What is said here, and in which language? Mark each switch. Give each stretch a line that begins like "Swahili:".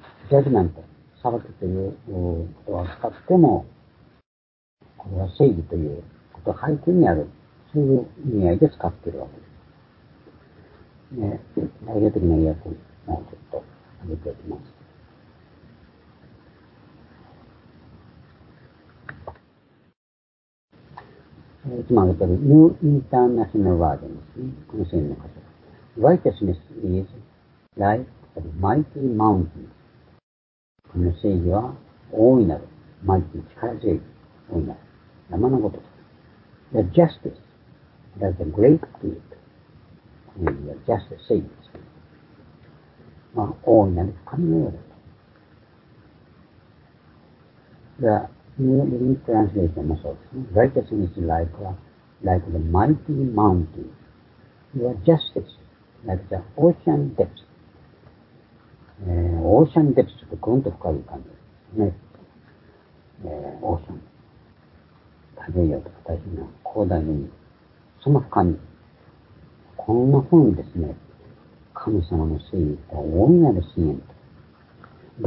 Japanese: ジャジメント。裁きという言葉を使っても、これは正義ということが背景にある、そういう意味合いで使っているわけです。代表的な意訳をちょっと挙げておきます。いつも挙げている New International Version ですね。この聖書の箇所。
English: Righteousness is like a mighty mountain.
Japanese: この正義は大いなる。マイティ、力強い。大いなる。山のごとく。
English: The justice, that's a great creed.
Japanese: この意味は justice, 正義です。まあ、大いなる神のようだと。 The New Living Translation もそうですね。
English: Righteousness is like the mighty mountain. Your justice, like the ocean depths.
Japanese: オーシャンデプスとグンと深い感じですね。オーシャン。太平洋とか大変な広大に、その深み、こんな風にですね、神様の正義と大いなる支援と。